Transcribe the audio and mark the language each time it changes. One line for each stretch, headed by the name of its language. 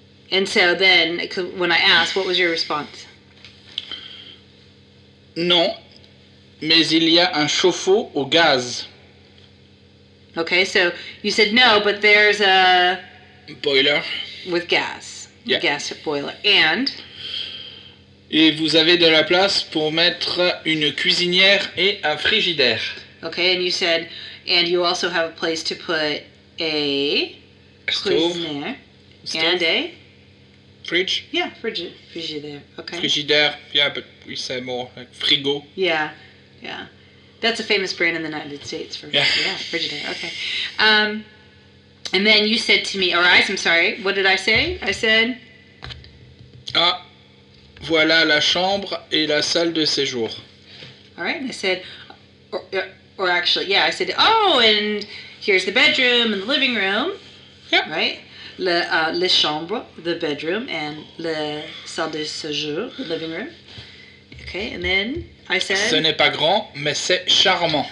English: And so then, when I asked, what was your response?
French: Non, mais il y a un chauffe-eau au gaz.
English: Okay, so you said no, but there's a... boiler. With gas. Yeah. Gas boiler. And...
French: et vous avez de la place pour mettre une cuisinière et un frigidaire.
English: Okay, and you said, and you also have a place to put a stove. And a fridge. Yeah, frigidaire. Okay. Frigidaire. Yeah, but we say more like frigo. Yeah. That's a famous brand in the United States for frigidaire. Okay. And then you said to me, or I'm sorry, what did I say? I said,
French: ah, voilà la chambre et la salle de séjour.
English: All right, and I said. Or actually, yeah, I said, oh, and here's the bedroom and the living room, yeah. Right? Le chambre, the bedroom, and le salle de séjour, the living room. Okay, and then I said...
French: ce n'est pas grand, mais c'est charmant.